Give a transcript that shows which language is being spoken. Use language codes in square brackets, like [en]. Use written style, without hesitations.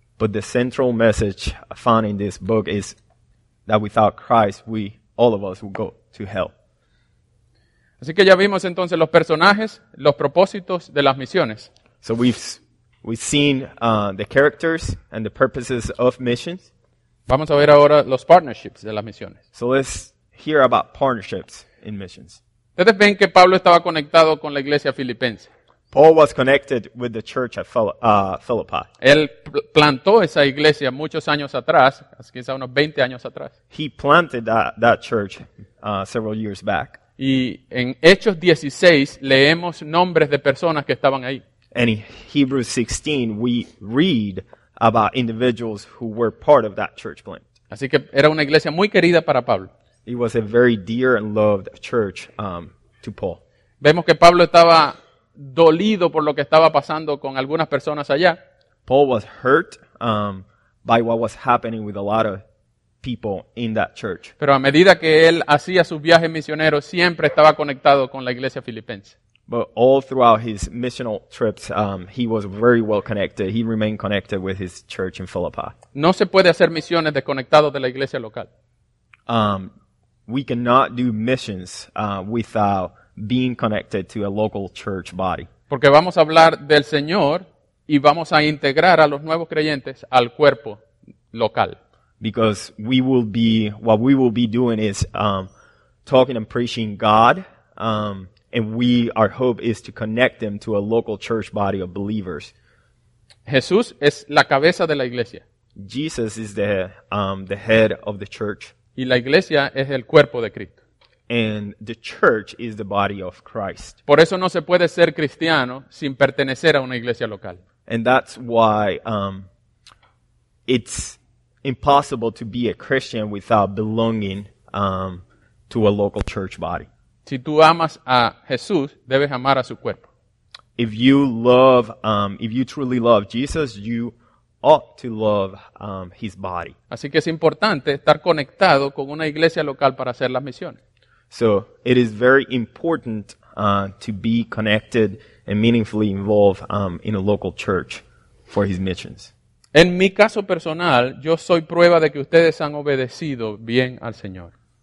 [en] But the central message found in this book is that without Christ, we all of us will go to hell. [es] Así que ya vimos entonces los personajes, los propósitos de las misiones. [en] So we've seen the characters and the purposes of missions. [es] Vamos a ver ahora los partnerships de las misiones. [en] So let's hear about partnerships in missions. [es] Ustedes ven que Pablo estaba conectado con la iglesia filipense. [en] Paul was connected with the church at Philippi. [es] Él plantó esa iglesia muchos años atrás, quizá unos 20 años atrás. [en] He planted that church several years back. [es] Y en Hechos 16 leemos nombres de personas que estaban ahí. [en] And in Hebrews 16 we read about individuals who were part of that church plant. [es] Así que era una iglesia muy querida para Pablo. [en] It was a very dear and loved church to Paul. [es] Vemos que Pablo estaba dolido por lo que estaba pasando con algunas personas allá. [en] Paul was hurt by what was happening with a lot of people in that church. [es] Pero a medida que él hacía sus viajes misioneros, siempre estaba conectado con la iglesia filipense. [en] But all throughout his missional trips, he was very well connected. He remained connected with his church in Philippi. [es] No se puede hacer misiones desconectado de la iglesia local. [en] We cannot do missions without being connected to a local church body. [es] Porque vamos a hablar del Señor y vamos a integrar a los nuevos creyentes al cuerpo local. [en] Because what we will be doing is talking and preaching God, our hope is to connect them to a local church body of believers. [es] Jesús es la cabeza de la iglesia. [en] Jesus is the head of the church. [es] Y la iglesia es el cuerpo de Cristo. [en] And the church is the body of Christ. [es] Por eso no se puede ser cristiano sin pertenecer a una iglesia local. [en] And that's why it's impossible to be a Christian without belonging to a local church body. [es] Si tú amas a Jesús, debes amar a su cuerpo. [en] If you truly love Jesus, you ought to love his body. [es] Así que es importante estar conectado con una iglesia local para hacer las misiones. [en] So it is very important to be connected and meaningfully involved in a local church for his missions. [es] En mi caso personal, yo soy prueba de que ustedes han obedecido bien al Señor.